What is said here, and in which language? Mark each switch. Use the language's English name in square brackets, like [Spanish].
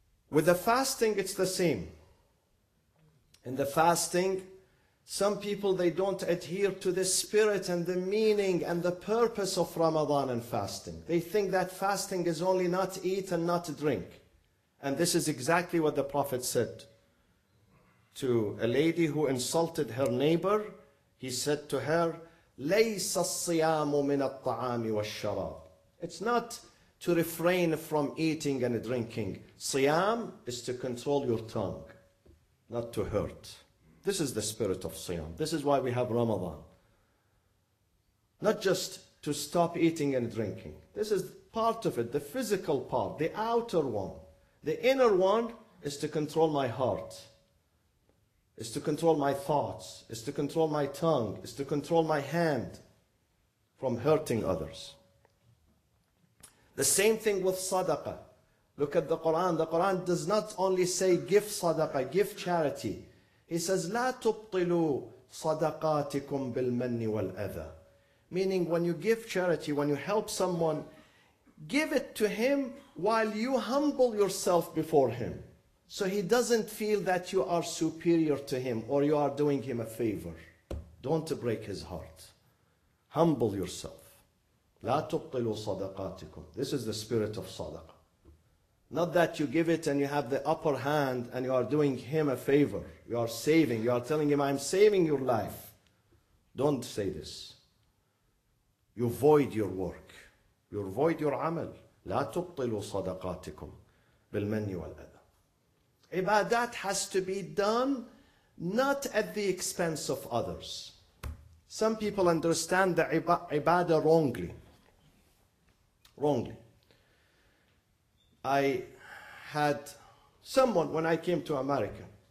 [English] With the fasting, it's the same. In the fasting, some people, they don't adhere to the spirit and the meaning and the purpose of Ramadan and fasting. They think that fasting is only not eat and not drink. And this is exactly what the Prophet said to a lady who insulted her neighbor. [Arabic] He said to her, لَيْسَ الصِّيَامُ مِنَ الطَّعَامِ وَالشَّرَابِ. [English] It's not to refrain from eating and drinking. Siyam is to control your tongue, not to hurt. This is the spirit of Siyam. This is why we have Ramadan. Not just to stop eating and drinking. This is part of it, the physical part, the outer one. The inner one is to control my heart, is to control my thoughts, is to control my tongue, is to control my hand from hurting others. The same thing with sadaqah. Look at the Quran. The Quran does not only say give sadaqah, give charity. [Arabic] He says, لا تبطلوا صدقاتكم بالمن والأذى. [English] Meaning when you give charity, when you help someone, give it to him while you humble yourself before him, so he doesn't feel that you are superior to him or you are doing him a favor. Don't break his heart. Humble yourself. لا تبطلوا صدقاتكم. This is the spirit of sadaqah. Not that you give it and you have the upper hand and you are doing him a favor. You are saving. You are telling him, I'm saving your life. Don't say this. You void your work. You void your amal. [Arabic] لا تبطلوا صدقاتكم بالمن والأذى. [English] Ibadat has to be done not at the expense of others. Some people understand the ibadah wrongly. I had someone when I came to America.